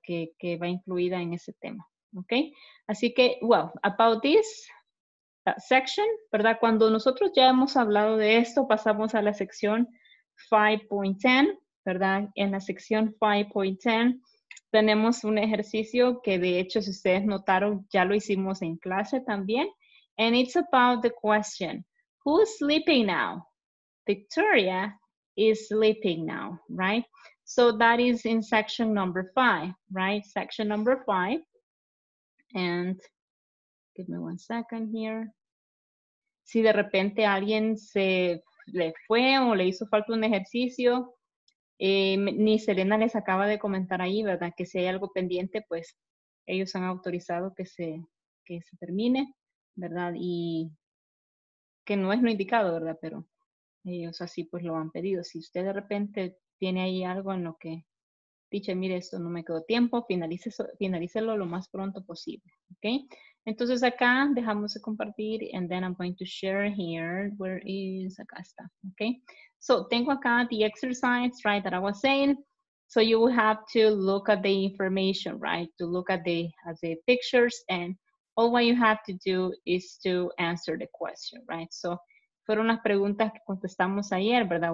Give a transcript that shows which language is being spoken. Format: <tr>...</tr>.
<es>Que va incluida en ese tema, ¿ok? Así que,</es> <en>well, about this section,</en> <es>¿verdad? Cuando nosotros ya hemos hablado de esto, pasamos a la sección 5.10, ¿verdad? En la sección 5.10, tenemos un ejercicio que, de hecho, si ustedes notaron, ya lo hicimos en clase también.</es> <en>And it's about the question, who's sleeping now? Victoria is sleeping now, right? So that is in section number 5, right? Section number 5. And give me one second here.</en> <es>Si de repente alguien se le fue o le hizo falta un ejercicio, ni Selena les acaba de comentar ahí, ¿verdad? Que si hay algo pendiente, pues ellos han autorizado que se termine, ¿verdad? Y que no es lo indicado, ¿verdad? Pero ellos así pues lo han pedido. Si usted de repente tiene ahí algo en lo que dice, mire, esto no me quedó tiempo, finalícelo lo más pronto posible, ¿ok? Entonces acá dejamos de compartir</es> <en>and then I'm going to share here. Where is,</en> <es>acá está,</es> <en>¿ok? So,</en> <es>tengo acá</es> <en>the exercise, right, that I was saying. So, you will have to look at the information, right, to look at the pictures. And all what you have to do is to answer the question, right?</en> <es>So, fueron las preguntas que contestamos ayer, ¿verdad?</es>